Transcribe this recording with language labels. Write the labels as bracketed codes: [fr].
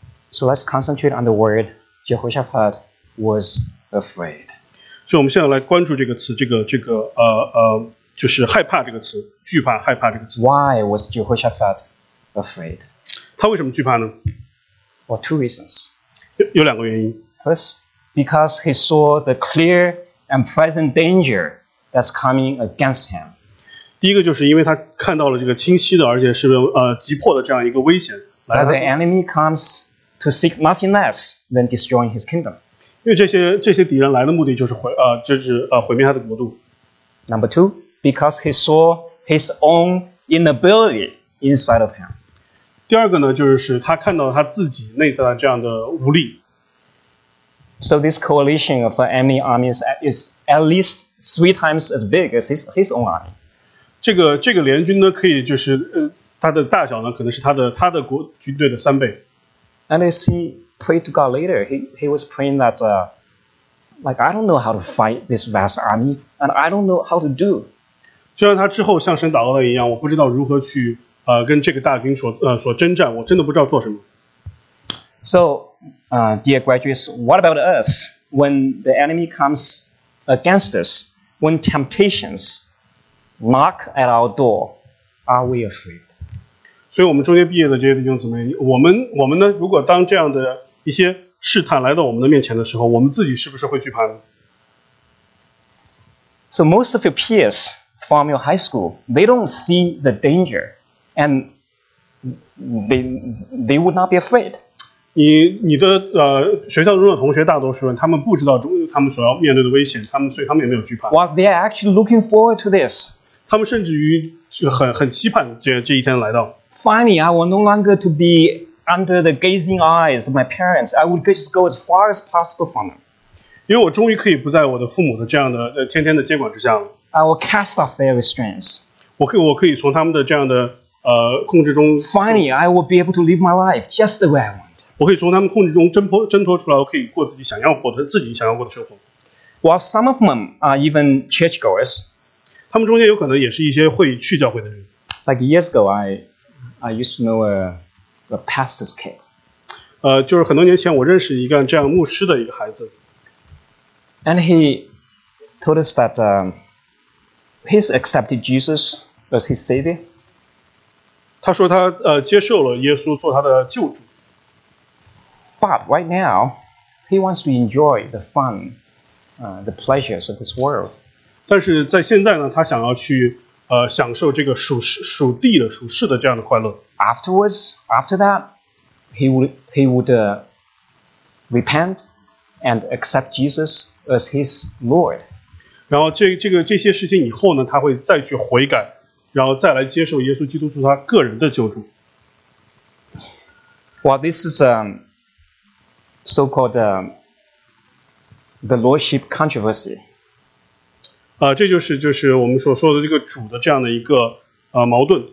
[en] So let's concentrate on the word Jehoshaphat was afraid. [zh] 所以我们现在来关注这个词，就是害怕这个词，惧怕害怕这个词。 [en] Why was Jehoshaphat afraid? [zh] 他为什么惧怕呢？ [en] Well, two reasons. [zh] 有两个原因。 [en] First, because he saw the clear and present danger that's coming against him. [zh] 第一个就是因为他看到了这个清晰的而且是急迫的这样一个危险。 [en] That the enemy comes to seek nothing less than destroying his kingdom. [zh] 因为这些敌人来的目的就是毁灭他的国度。 [en] Number two, because he saw his own inability inside of him. [zh] 第二个呢就是他看到他自己内在的这样的无力。 [en] So this coalition of enemy armies is at least three times as big as his own army. [zh] 这个联军呢，可以就是他的大小呢可能是他的国军队的三倍。 [en] And as he prayed to God later, he was praying that, like, I don't know how to fight this vast army, and I don't know how to do. [zh] 就像他之后向神祷告的一样，我不知道如何去跟这个大军所征战，我真的不知道做什么。 [en] So, dear graduates, what about us? When the enemy comes against us, when temptations knock at our door, are we afraid? [zh] 所以我们中间毕业的这些弟兄姊妹，我们呢，如果当这样的一些试探来到我们的面前的时候，我们自己是不是会惧怕呢？ [en] So most of your peers from your high school, they don't see the danger, and they would not be afraid. [zh] 你的学校中的同学大多数人，他们不知道他们所要面对的危险，所以他们也没有惧怕。 [en] Well, they are actually looking forward to this. [zh] 他们甚至于很期盼这一天来到。 [en] Finally, I will no longer to be under the gazing eyes of my parents. I would just go as far as possible from them. [zh] 因为我终于可以不在我的父母的这样的天天的监管之下了。 [en] I will cast off their restraints. [zh] 我可以从他们的这样的控制中。 [en] Finally, I will be able to live my life just the way I want. [zh] 我可以从他们控制中挣脱出来，我可以过自己想要过的生活。 [en] While some of them are even churchgoers, [zh] 他们中间有可能也是一些会去教会的人。 [en] Like years ago, I used to know a pastor's kid. [zh] 就是很多年前我认识一个这样牧师的一个孩子。 [en] And he told us that he's accepted Jesus as his savior. [zh] 他说他接受了耶稣做他的救主。 [en] But right now, he wants to enjoy the fun, the pleasures of this world. [zh] 但是在现在呢，他想要去享受这个属地的这样的快乐。 [en] Afterwards, after that, he would repent and accept Jesus as his Lord. [zh] 然后这些事情以后呢，他会再去悔改，然后再来接受耶稣基督做他个人的救主。 [en] Well, this is a so-called the Lordship controversy. [zh] 这就是我们所说的这个主的这样的一个矛盾。